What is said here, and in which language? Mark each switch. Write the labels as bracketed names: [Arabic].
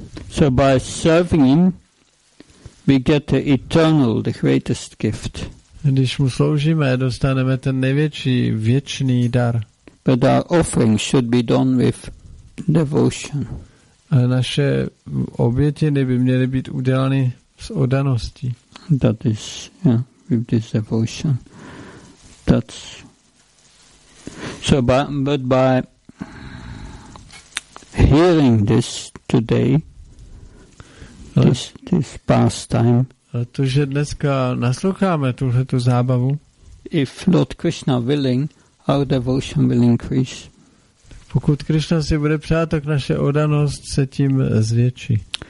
[English] So by serving him, we get the eternal, the greatest gift. [Czech] Když mu sloužíme, dostaneme ten největší, věčný dar. [English] But our offering should be done with devotion. [Czech] A naše obětiny by měly být udělány s oddaností. [English] That is, yeah, with this devotion. That's So, but by hearing this today, this pastime. [Czech] Ale to, že dneska nasloucháme tuhle tu zábavu. [English] If Lord Krishna willing, our devotion will increase. [Czech] Pokud Krishna si bude přát, tak naše oddanost se tím zvětší.